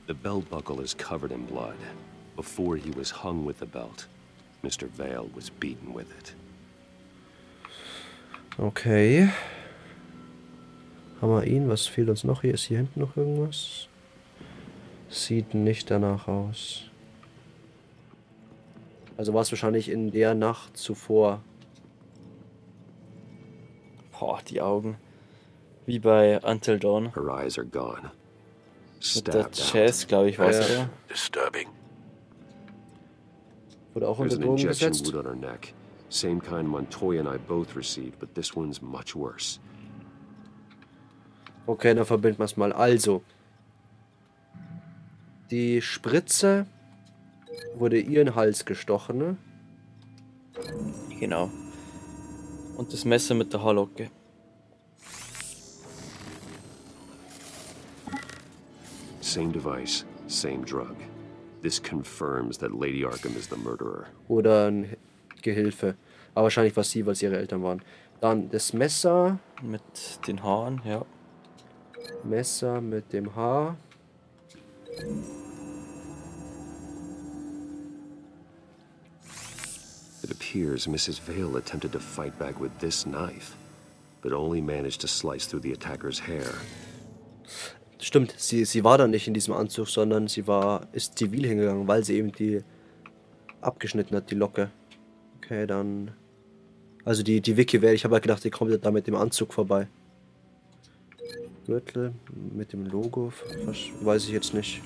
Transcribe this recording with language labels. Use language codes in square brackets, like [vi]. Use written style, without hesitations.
[en] The belt buckle is covered in blood. Before he was hung with the belt, Mr. Vale was beaten with it. [de] Okay. Haben wir ihn? Was fehlt uns noch? Hier ist hier hinten noch irgendwas. Sieht nicht danach aus. Also war es wahrscheinlich in der Nacht zuvor. Boah, die Augen. Wie bei Until Dawn. [en] Her eyes are gone. [de] Mit der Chess, glaube ich, war es. [en] Disturbing. [de] Wurde auch unter Drogen gesetzt. [en] Wound on her neck. Same kind Montoya and I both received, but this one's much worse. [de] Okay, dann verbinden wir es mal. Also. Die Spritze wurde ihr in den Hals gestochen, ne? Genau. Und das Messer mit der Haarlocke. [en] Same device, same drug. This confirms that Lady Arkham is the murderer. [de] Oder ein Gehilfe. Aber wahrscheinlich war es sie, weil sie ihre Eltern waren. Dann das Messer. Mit den Haaren, ja. Messer mit dem Haar. [en] It appears Mrs. Vale attempted to fight back with this knife, but only managed to slice through the attacker's hair. [de] Stimmt, sie war da nicht in diesem Anzug, sondern sie war ist zivil hingegangen, weil sie eben die abgeschnitten hat, die Locke. Okay, dann also die Vicky Vale, ich habe halt gedacht, die kommt da mit dem Anzug vorbei. Gürtel mit dem Logo, was weiß ich jetzt nicht.